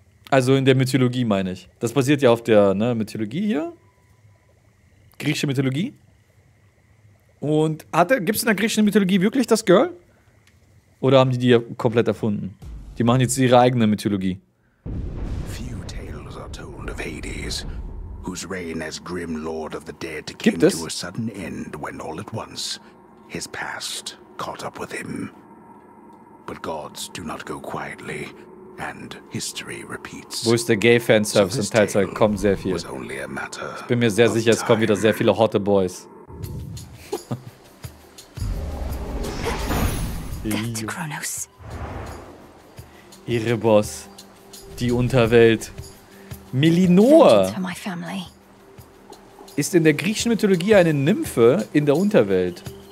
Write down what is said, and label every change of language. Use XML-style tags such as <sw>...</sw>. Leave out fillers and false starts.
<de>Also in der Mythologie meine ich. Das basiert ja auf der Mythologie hier. Griechische Mythologie. Und gibt es in der griechischen Mythologie wirklich das Girl? Oder haben die ja komplett erfunden? Die machen jetzt ihre eigene Mythologie.</de> <en>Few tales are told of Hades, whose reign as grim lord of the dead came to a sudden end when all at once his past caught up with him. But gods do not go quietly, and history repeats.</en> <de>Wo ist der Gay-Fanservice? In Teilzeit kommen sehr viel. Ich bin mir sehr sicher, es kommen wieder sehr viele hotte Boys. Kronos. Erebos. Die Unterwelt. Melinor ist in der griechischen Mythologie eine Nymphe in der Unterwelt.</de>